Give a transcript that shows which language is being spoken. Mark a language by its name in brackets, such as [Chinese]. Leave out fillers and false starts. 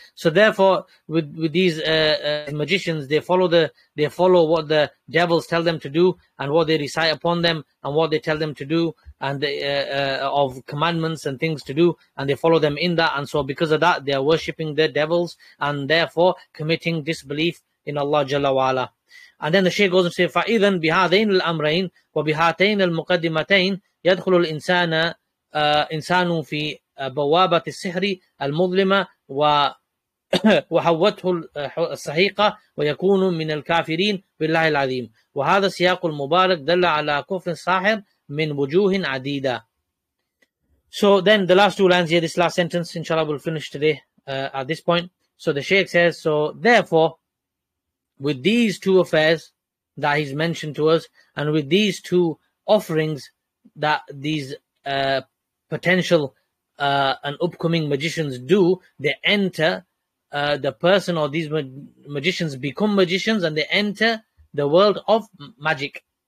[English] So therefore, with these magicians, they follow what the devils tell them to do, and what they recite upon them, and what they tell them to do, and of commandments and things to do, and they follow them in that. And so because of that, they are worshipping their devils, and therefore committing disbelief in Allah Jalla wa'ala. And then the Shaykh goes and says, [Arabic] فَإِذَنْ بِهَذَيْنِ الْأَمْرَيْنِ وَبِهَاتَيْنِ الْمُقَدِّمَتَيْنِ يَدْخُلُ الْإِنسَانَ إِنسَانُ فِي بوابة السحر المظلمة وحوته السحيقة ويكون من الكافرين بالله العظيم. وهذا السياق المبارك دل على كفر الساحر من وجوه عديدة. [English] So then the last two lines here, this last sentence, inshallah we'll finish today at this point. So the Shaykh says, so therefore, with these two affairs that he's mentioned to us, and with these two offerings that these potential and upcoming magicians do, they enter the person, or these magicians become magicians, and they enter the world of magic,